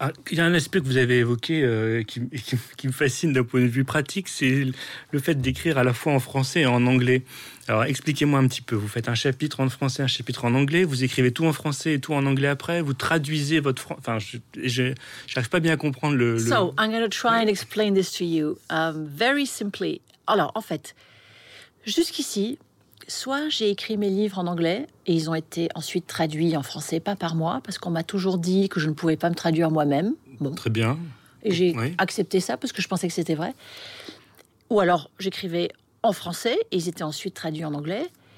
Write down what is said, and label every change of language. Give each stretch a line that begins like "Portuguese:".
French: Il y a un aspect que vous avez évoqué qui me fascine d'un point de vue pratique, c'est le fait d'écrire à la fois en français et en anglais. Alors expliquez-moi un petit peu, vous faites un chapitre en français, un chapitre en anglais, vous écrivez tout en français et tout en anglais après, vous traduisez votre français. Enfin, je n'arrive pas bien à comprendre le...
English: So, I'm going to try and explain this to you very simply.
French: Alors, en fait, jusqu'ici, soit j'ai écrit mes livres en anglais et ils ont été ensuite traduits en français, pas par moi, parce qu'on m'a toujours dit que je ne pouvais pas me traduire moi-même. Bon. Très bien. Et j'ai accepté ça parce que je pensais que c'était vrai. Ou alors j'écrivais en français et ils étaient ensuite traduits en anglais.